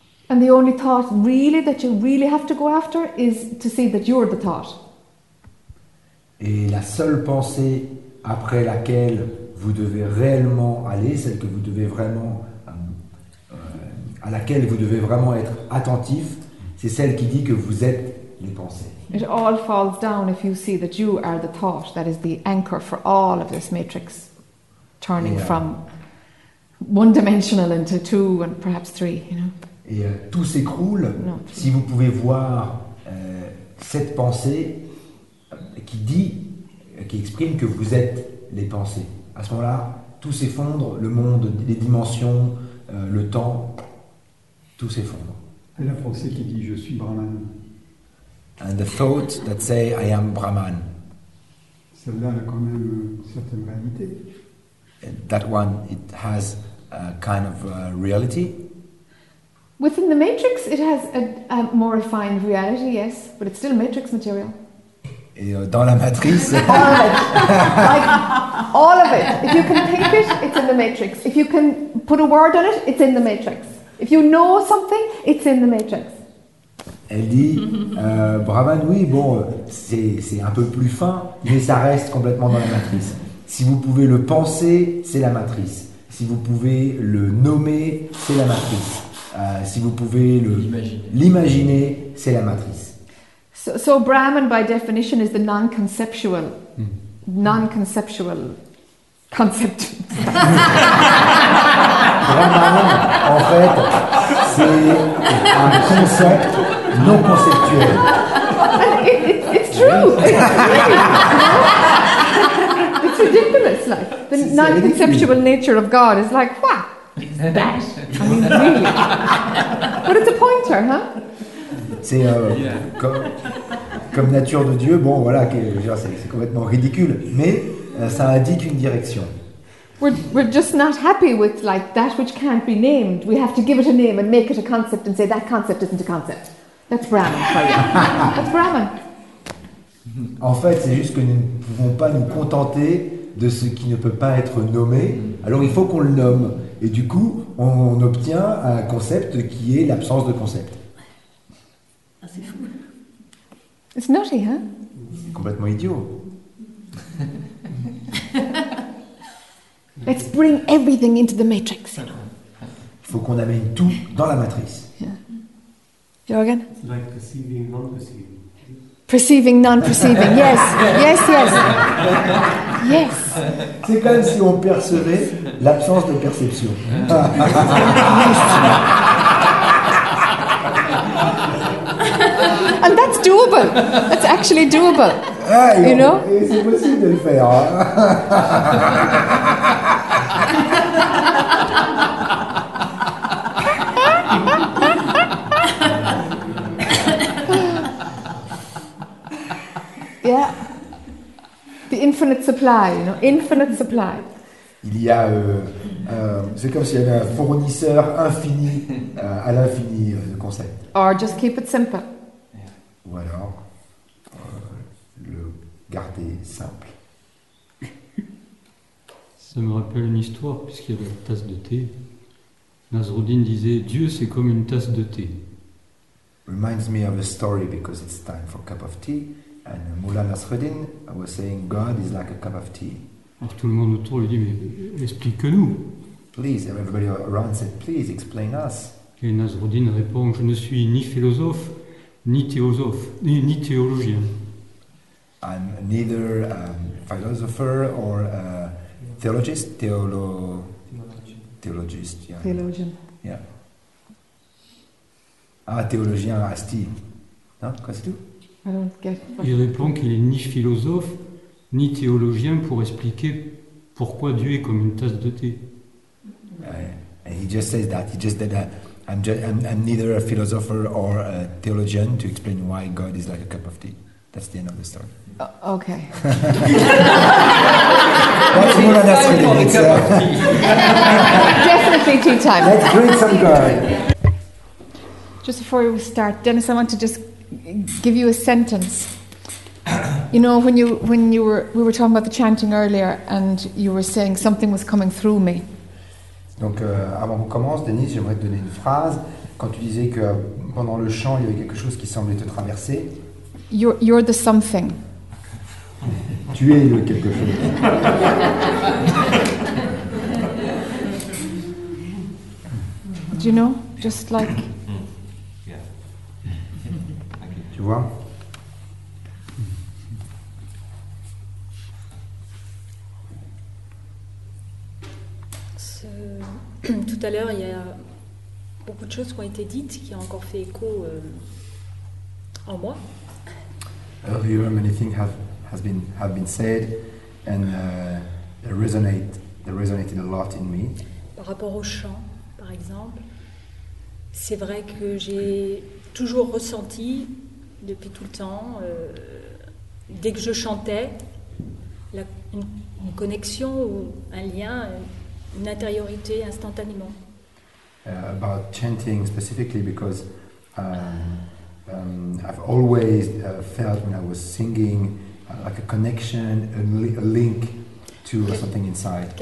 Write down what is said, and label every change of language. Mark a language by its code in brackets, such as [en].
[en] And the only thought really that you really have to go after is to see that you're the thought. [fr] Et la seule pensée après laquelle vous devez réellement aller, celle que vous devez vraiment à laquelle vous devez vraiment être attentif, c'est celle qui dit que vous êtes les pensées. [en] It all falls down if you see that you are the thought. That is the anchor for all of this matrix turning from one dimensional into two and perhaps three, you know. [fr] Et tout s'écroule si vous pouvez voir cette pensée qui dit, qui exprime que vous êtes les pensées. À ce moment-là, tout s'effondre, le monde, les dimensions, le temps, tout s'effondre. Et la pensée qui dit « je suis Brahman ». [en] And the thought that say « I am Brahman ». [fr] Celle-là a quand même une certaine réalité. [en] And that one, it has a kind of reality. Within the matrix, it has a more refined reality, yes, but it's still matrix material. [fr] Et dans la matrice, [en] all of it. If you can think it, it's in the matrix. If you can put a word on it, it's in the matrix. If you know something, it's in the matrix. [fr] Elle dit, Brahman, oui, bon, c'est un peu plus fin, mais ça reste complètement dans la matrice. Si vous pouvez le penser, c'est la matrice. Si vous pouvez le nommer, c'est la matrice. Si vous pouvez l'imaginer, c'est la matrice. [en] So Brahman, by definition, is the non-conceptual, non-conceptual concept. [fr] Brahman, en fait, c'est un concept non conceptuel. [en] It's true. It's ridiculous. Like the non-conceptual nature of God is like what? That. I mean, really. But it's a pointer, huh? [fr] C'est comme nature de Dieu. Bon, voilà, c'est complètement ridicule, mais ça indique une direction. [en] We're just not happy with like that which can't be named. We have to give it a name and make it a concept and say that concept isn't a concept. That's Brahman. That's Brahman. [fr] En fait, c'est juste que nous ne pouvons pas nous contenter de ce qui ne peut pas être nommé. Alors, il faut qu'on le nomme. Et du coup, on obtient un concept qui est l'absence de concept. Ah, c'est fou. [en] It's naughty, [fr] hein? C'est complètement idiot. [en] Let's bring everything into the matrix. [fr] Il faut qu'on amène tout dans la matrice. [en] Yeah. Jorgen? It's like perceiving, non-perceiving. Perceiving, non-perceiving, yes, yes, yes, yes. [fr] C'est comme si on percevait l'absence de perception. [en] And that's doable, that's actually doable, you know? [fr] Et c'est possible de le faire. Hein? [en] Yeah, the infinite supply, you know, infinite supply. [fr] Il y a, c'est comme s'il y avait un fournisseur infini, à l'infini, le concept. [en] Or just keep it simple. [fr] Yeah. Ou alors, le garder simple. Ça me rappelle une histoire, puisqu'il y avait la tasse de thé. Nasruddin disait, Dieu c'est comme une tasse de thé. [en] Reminds me of a story, because it's time for a cup of tea. And Mullah Nasruddin, I was saying, God is like a cup of tea. [fr] Alors tout le monde autour lui dit, mais explique-nous. [en] Please, everybody around said, please explain us. [fr] Et Nasruddin répond, je ne suis ni philosophe, ni théosophe, ni théologien. [en] I'm neither a philosopher or a theologist, theologist, yeah. Theologian. Yeah. [fr] Ah, théologien, asti. Non, qu'est-ce que tu? [en] I don't get. [fr] Il répond qu'il n'est ni philosophe, ni théologien pour expliquer pourquoi Dieu est comme une tasse de thé. [en] And he just says that. He just said that I'm neither a philosopher or a theologian to explain why God is like a cup of tea. That's the end of the story. Okay. What's more than that? Definitely tea time. Let's drink some God. Just before we start, Dennis, I want to just give you a sentence. You know, when we were talking about the chanting earlier, and you were saying something was coming through me. [fr] Donc avant qu'on commence, Denise, j'aimerais te donner une phrase. Quand tu disais que pendant le chant, il y avait quelque chose qui semblait te traverser. [en] You're the something. [fr] Tu es le quelque chose. [en] Do you know? Just like. [fr] Tu vois? Tout à l'heure, il y a beaucoup de choses qui ont été dites qui ont encore fait écho en moi. [en] Earlier, many things have been said and they resonated a lot in me. [fr] Par rapport au chant, par exemple, c'est vrai que j'ai toujours ressenti depuis tout le temps, dès que je chantais, une connexion ou un lien. Une intériorité instantanément. [en] About chanting specifically, because I've always felt when I was singing like a connection, a link to something inside.